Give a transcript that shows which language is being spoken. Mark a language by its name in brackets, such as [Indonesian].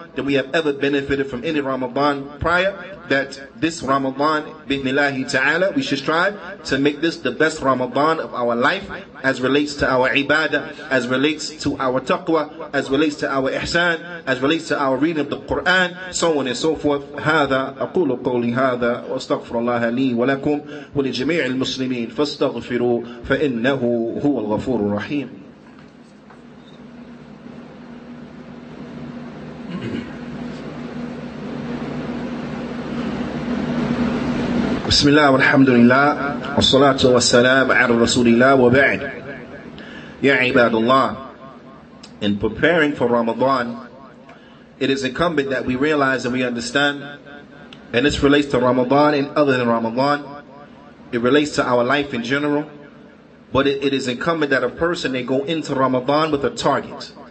[English] that we have ever benefited from any Ramadan prior, that this Ramadan, [Arabic] bi'nillahi ta'ala, [English] we should strive to make this the best Ramadan of our life as relates to our ibadah, as relates to our taqwa, as relates to our ihsan, as relates to our reading of the Quran, so on and so forth. [Arabic] هذا أقول قولي هذا وأستغفر الله لي ولكم ولجميع المسلمين فاستغفروا فإنه هو الغفور الرحيم. بسم الله والحمد لله والصلاة والسلام على رسول الله وبعد يا عباد الله. [English] In preparing for Ramadan, it is incumbent that we realize and we understand, and this relates to Ramadan and other than Ramadan, it relates to our life in general, but it is incumbent that a person, they go into Ramadan with a target.